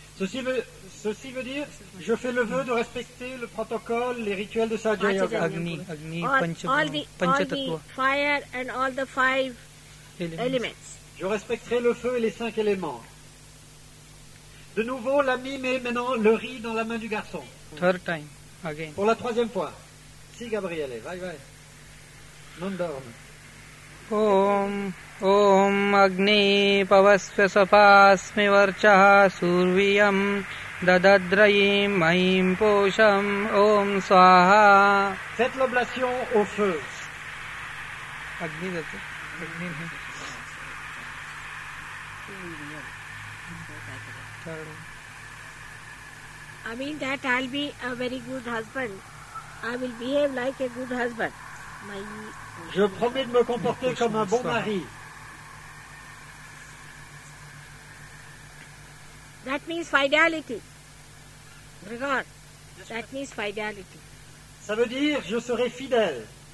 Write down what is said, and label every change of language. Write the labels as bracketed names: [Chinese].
[French] Ceci veut dire, je fais le vœu de respecter le protocole, les rituels de Sahaja Yoga. [Sanskrit] Agni, Panchatattva. [English] All the fire and all the five elements. [French] Je respecterai le feu et les cinq éléments. De nouveau, l'ami met maintenant le riz dans la main du garçon. [English] Third time, again. [French] Pour la troisième fois. [Italian] Si, Gabriele, vai, vai. Non dorme. [Sanskrit] Om, Om Agni Pavasya Sapasmi Varchaha Surviyam Dadadrayim Maim Posham Om Swaha. [French] Faites l'oblation au feu. Agni, c'est ça. Agni. [English] I mean that I'll be a very good husband. I will behave like a good husband. [French] Je promets de me comporter comme un bon mari. [English] That means fidelity. Regard. That means fidelity. [French] Ça veut dire je serai fidèle.